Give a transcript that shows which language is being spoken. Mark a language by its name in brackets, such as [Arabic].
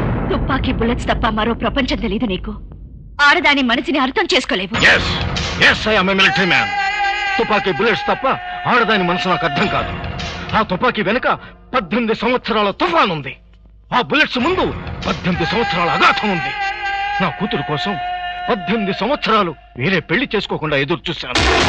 [Telugu] తుప్పాకీ bullets తప్ప మరో ప్రపంచం తెలీదు నీకు. ఆడదాని మనిషిని అర్థం చేసుకోలేవు. [English] Yes, yes, I am a military man. [Telugu] తుపాకీ బుల్లెట్స్ తప్ప ఆడదాని మనసు నాకు అర్థం కాదు. ఆ తుపాకీ వెనుక 18 సంవత్సరాల తుఫాను ఉంది. ఆ బుల్లెట్స్ ముందు 18 సంవత్సరాల అగాధం ఉంది. నా కూతురు కోసం 18 సంవత్సరాలు వేరే పెళ్లి చేసుకోకుండా ఎదురు చూశాను.